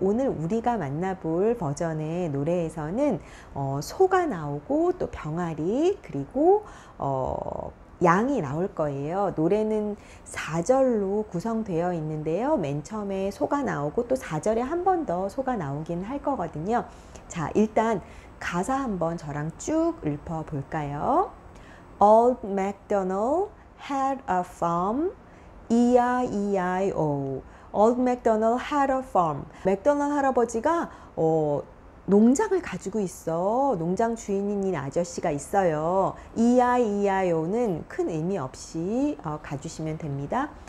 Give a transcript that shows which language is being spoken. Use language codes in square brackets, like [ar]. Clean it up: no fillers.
[ko] 오늘 우리가 만나볼 버전의 노래에서는 소가 나오고 또 병아리 그리고 양이 나올 거예요. 노래는 4절로 구성되어 있는데요. 맨 처음에 소가 나오고 또 4절에 한 번 더 소가 나오긴 할 거거든요. 자, 일단 가사 한번 저랑 쭉 읊어 볼까요? [en] Old MacDonald had a farm. E-I-E-I-O. Old MacDonald had a farm. [ko] 맥도널 할아버지가 농장을 가지고 있어. 농장 주인인 아저씨가 있어요. E-I-E-I-O는 큰 의미 없이 가주시면 됩니다.